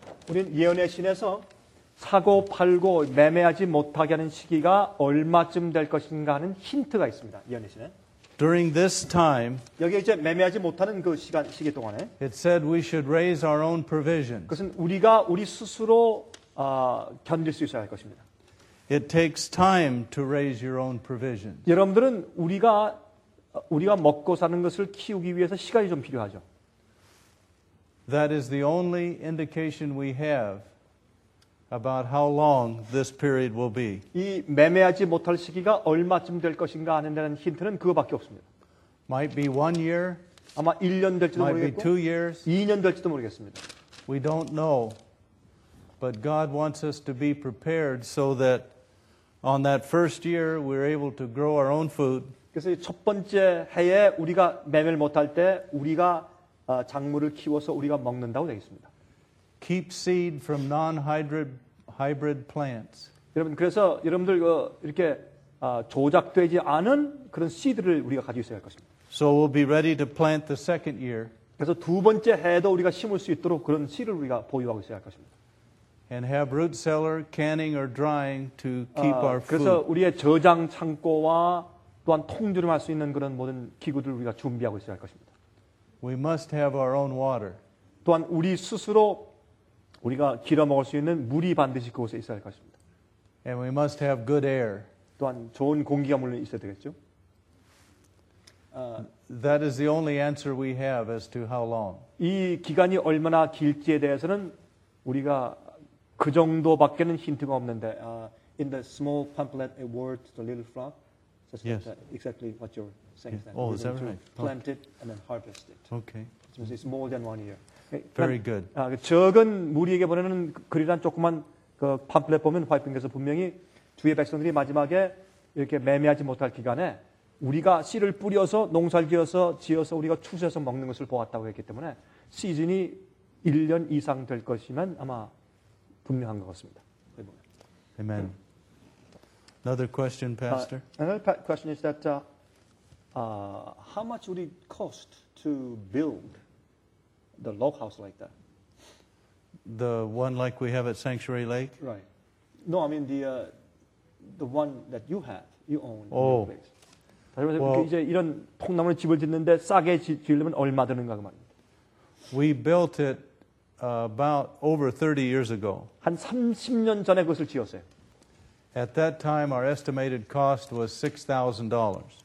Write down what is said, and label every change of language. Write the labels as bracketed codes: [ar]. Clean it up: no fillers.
[ko] 우린 예언의 신에서 사고 팔고 매매하지 못하게 하는 시기가 얼마쯤 될 것인가 하는 힌트가 있습니다. 예언의 신에. [en] During this time, [ko] 여기 이제 매매하지 못하는 그 시기 동안에 [en] it said we should raise our own provisions. [ko] 그것은 우리가 우리 스스로 견딜 수 있어야 할 것입니다. [en] It takes time to raise your own provisions. [ko] 여러분들은 우리가 먹고 사는 것을 키우기 위해서 시간이 좀 필요하죠. [en] That is the only indication we have about how long this period will be. [ko] 이 매매하지 못할 시기가 얼마쯤 될 것인가 하는 데는 힌트는 그거밖에 없습니다. [en] Might be 1 year. [ko] 아마 1년 될지도 [en] might [ko] 모르겠고. [en] Might be 2 years. [ko] 2년 될지도 모르겠습니다. [en] We don't know. But God wants us to be prepared so that on that first year we're able to grow our own food. [ko] 그래서 첫 번째 해에 우리가 매매를 못할 때 우리가 작물을 키워서 우리가 먹는다고 되겠습니다. [en] Keep seed from non-hybrid plants. [ko] 여러분 그래서 여러분들 이렇게 조작되지 않은 그런 씨드를 우리가 가지고 있어야 할 것입니다. [en] So we'll be ready to plant the second year. [ko] 그래서 두 번째 해에도 우리가 심을 수 있도록 그런 씨를 우리가 보유하고 있어야 할 것입니다. [en] And have root cellar, canning or drying to keep our food. [ko] 그래서 우리의 저장 창고와 또한 통조림할 수 있는 그런 모든 기구들을 우리가 준비하고 있어야 할 것입니다. [en] We must have our own water. [ko] 또한 우리 스스로 우리가 길어 먹을 수 있는 물이 반드시 그곳에 있어야 할 것입니다. [en] And we must have good air. [ko] 또한 좋은 공기가 물론 있어야 되겠죠. [en] That is the only answer we have as to how long. [ko] 이 기간이 얼마나 길지에 대해서는 우리가 그 정도밖에는 힌트가 없는데 [en] in the small pamphlet a word to the little flock says yes. that exactly what you're saying yeah. Oh, is that right? Plant it and then harvest it. Okay. So it's more than 1 year. Very good. [ko] 적은 무리에게 보내는 글이란 조그만 그 팜플렛 보면 화이트빙에서 분명히 주의 백성들이 마지막에 이렇게 매매하지 못할 기간에 우리가 씨를 뿌려서 농사를 지어서 우리가 추수해서 먹는 것을 보았다고 했기 때문에 시즌이 1년 이상 될 것이면 아마 분명한 것 같습니다. [en] Amen. Another question, Pastor. Another question is that how much would it cost to build the log house like that? The one like we have at Sanctuary Lake? Right. No, I mean the one that you have, you own. Oh. In your place. [ko] 이제 이런 통나무로 집을 짓는데 싸게 지으려면 얼마 드는가 그 말입니다. [en] We built it about over 30 years ago. [ko] 한 30년 전에 그것을 지었어요. [en] At that time, our estimated cost was $6,000.